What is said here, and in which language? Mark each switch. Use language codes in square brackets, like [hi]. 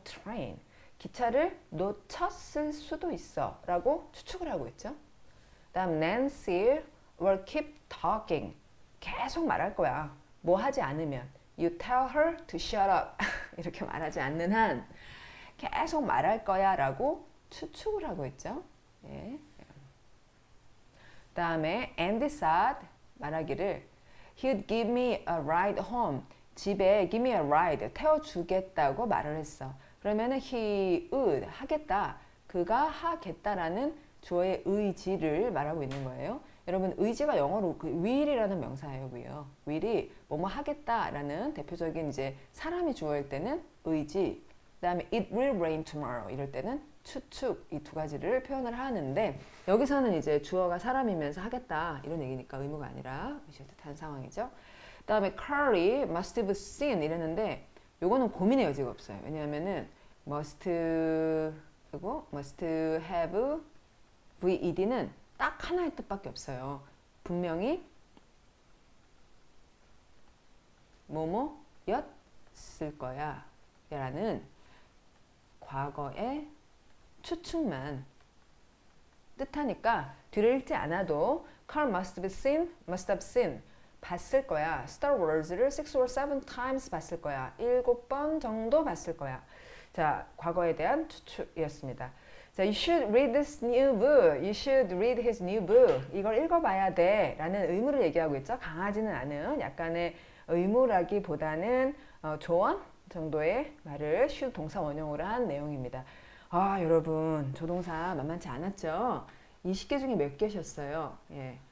[ko] Train 기차를 놓쳤을 수도 있어라고 추측을 하고 있죠. 다음 [en] Nancy will keep talking [ko] 계속 말할 거야. 뭐 하지 않으면 [en] You tell her to shut up [ko] 이렇게 말하지 않는 한 계속 말할 거야라고 추측을 하고 있죠. 예. 다음에 [en] Andy said [ko] 말하기를 [en] He'd give me a ride home. [ko] 집에 [en] give me a ride. [ko] 태워주겠다고 말을 했어. 그러면은 [en] he would [ko] 하겠다. 그가 하겠다라는 주어의 의지를 말하고 있는 거예요. 여러분, 의지가 영어로 그 will이라는 명사예요. will이 뭐뭐 하겠다라는 대표적인 이제 사람이 주어일 때는 의지. 그다음에 [en] it will rain tomorrow [ko] 이럴 때는 추측. 이두 가지를 표현을 하는데 여기서는 이제 주어가 사람이면서 하겠다 이런 얘기니까 의무가 아니라 의지에 뜻하는 상황이죠. 그다음에 [en] Carly must have seen [ko] 이랬는데 요거는 고민의 여지가 없어요. 왜냐하면은 must 그리고 must have ved는 딱 하나의 뜻밖에 없어요. 분명히 뭐뭐였을 거야 라는 과거의 추측만 뜻하니까 뒤를 읽지 않아도 [en] Carl must be seen, must have seen [ko] 봤을 거야. [en] Star Wars를 6 or 7 times [ko] 봤을 거야. 7번 정도 봤을 거야. 자, 과거에 대한 추측이었습니다. [en] 자, You should read this new book. You should read his new book. [ko] 이걸 읽어봐야 돼 라는 의무를 얘기하고 있죠. 강하지는 않은 약간의 의무라기보다는 조언 정도의 말을 should 동사 원형으로 한 내용입니다. 아, 여러분, 조동사 만만치 않았죠? 20개 중에 몇 개셨어요? 예.